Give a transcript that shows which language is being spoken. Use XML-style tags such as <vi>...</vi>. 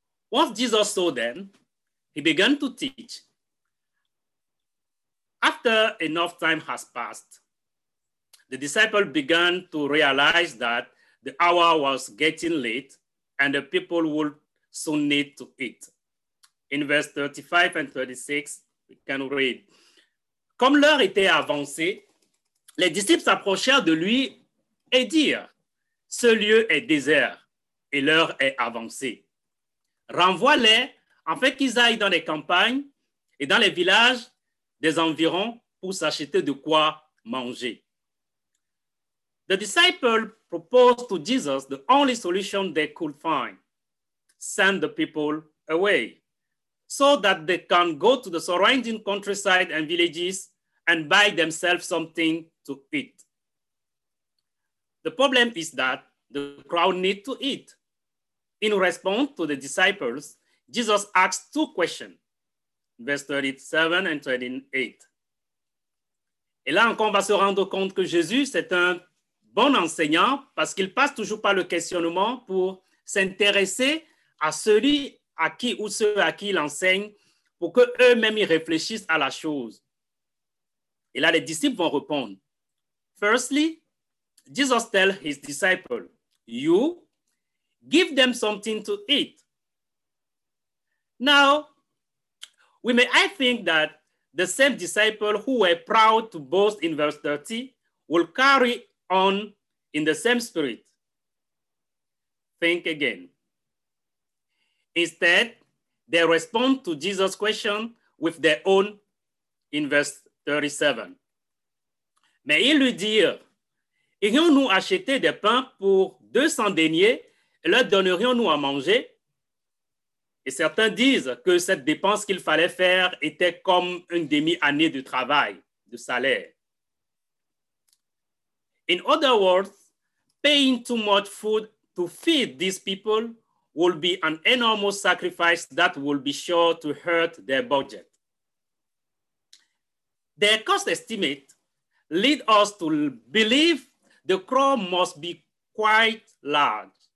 <en>What Jesus saw then, he began to teach. After enough time has passed, the disciples began to realize that the hour was getting late and the people would soon need to eat. In verse 35 and 36, we can read.</en> <fr>Comme l'heure était avancée, les disciples s'approchèrent de lui et dirent, ce lieu est désert et l'heure est avancée. Renvoie-les afin qu'ils aillent dans les campagnes et dans les villages des environs pour s'acheter de quoi manger.</fr> <en>The disciple proposed to Jesus the only solution they could find. Send the people away so that they can go to the surrounding countryside and villages and buy themselves something to eat. The problem is that the crowd need to eat. In response to the disciples, Jesus asked two questions, verse 37 and 38.</en> <fr>Et là encore, on va se rendre compte que Jésus, c'est un bon enseignant, parce qu'il passe toujours par le questionnement pour s'intéresser à celui à qui ou ceux à qui il enseigne, pour qu'eux-mêmes y réfléchissent à la chose. Et là, les disciples vont répondre.</fr> <en>Firstly, Jesus tells his disciples, you give them something to eat. Now, I think that the same disciple who were proud to boast in verse 30 will carry on in the same spirit. Think again. Instead, they respond to Jesus' question with their own in verse 37.</en> <fr>Mais ils lui dirent, irions-nous acheter des pains pour 200 deniers et leur donnerions-nous à manger? Et certains disent que cette dépense qu'il fallait faire était comme une demi-année de travail, de salaire.</fr> <en>In other words, paying too much food to feed these people will be an enormous sacrifice that will be sure to hurt their budget. Their cost estimate lead us to believe the crowd must be quite large.</en>